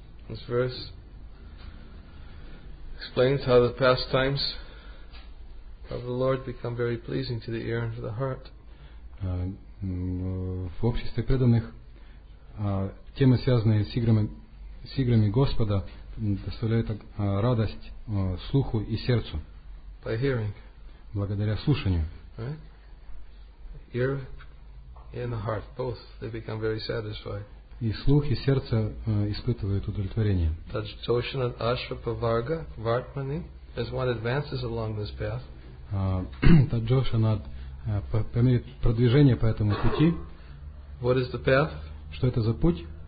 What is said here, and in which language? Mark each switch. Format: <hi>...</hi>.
<en>This verse explains how the pastimes of the Lord become very pleasing to the ear and to the heart.</en> <ru>В обществе преданных темы, связанные с играми Господа, доставляют радость слуху и сердцу.</ru> <en>By hearing.</en> <ru>Благодаря слушанию.</ru> <en>Right? Ear and the heart, both, they become very satisfied.</en> <ru>И слух, и сердце испытывают удовлетворение.</ru> <sa>Таджошана ашрапаварга вартмани,</sa> <en>as one advances along this path.</en> <ru>Таджошана, по мере продвижения по этому пути.</ru> <en>What is the path?</en> <ru>Что это за путь?</ru>